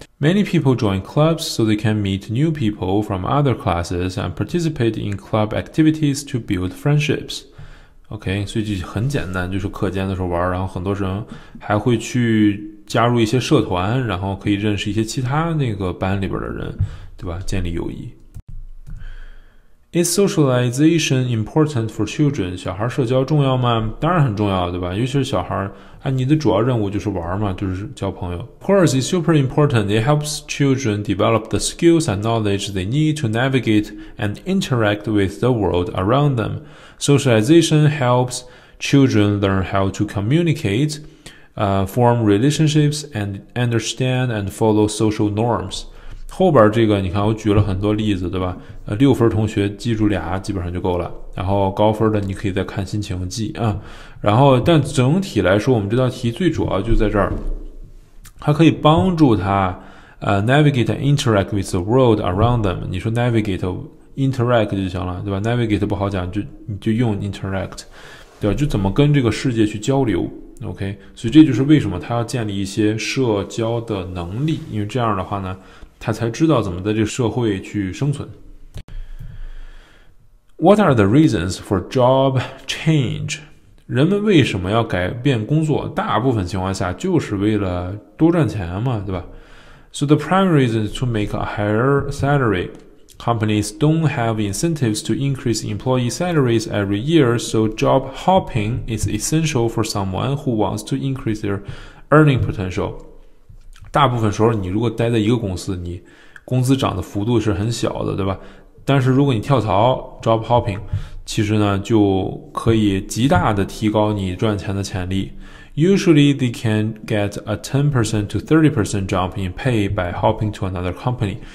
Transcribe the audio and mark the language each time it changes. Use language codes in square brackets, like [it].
[en] Many people join clubs so they can meet new people from other classes and participate in club activities to build friendships. [zh] OK, 所以就很简单就是课间的时候玩然后很多人还会去加入一些社团然后可以认识一些其他那个班里边的人对吧建立友谊。 [en] Is socialization important for children? [zh] 小孩社交重要吗当然很重要对吧尤其是小孩啊你的主要任务就是玩嘛就是交朋友。 [en] Of course, it's super important. It helps children develop the skills and knowledge they need to navigate and interact with the world around them. Socialization helps children learn how to communicate, form relationships, and understand and follow social norms. [zh] 后边这个你看我举了很多例子对吧六分同学记住俩基本上就够了然后高分的你可以再看心情记啊。然后但整体来说我们这道题最主要就在这儿。它可以帮助他 [en] navigate and interact with the world around them. [zh] 你说 navigate,interact 就行了对吧 navigate 不好讲就你就用 interact 对吧就怎么跟这个世界去交流 OK 所以这就是为什么他要建立一些社交的能力因为这样的话呢他才知道怎么在这个社会去生存 [en] What are the reasons for job change? [zh] 人们为什么要改变工作大部分情况下就是为了多赚钱嘛对吧 [en] So the primary reason to make a higher salaryCompanies don't have incentives to increase employee salaries every year, so job hopping is essential for someone who wants to increase their earning potential. [zh] 大部分时候你如果待在一个公司你工资涨的幅度是很小的对吧但是如果你跳槽 job hopping, 其实呢就可以极大的提高你赚钱的潜力。 [en] Usually they can get a 10% to 30% jump in pay by hopping to another company.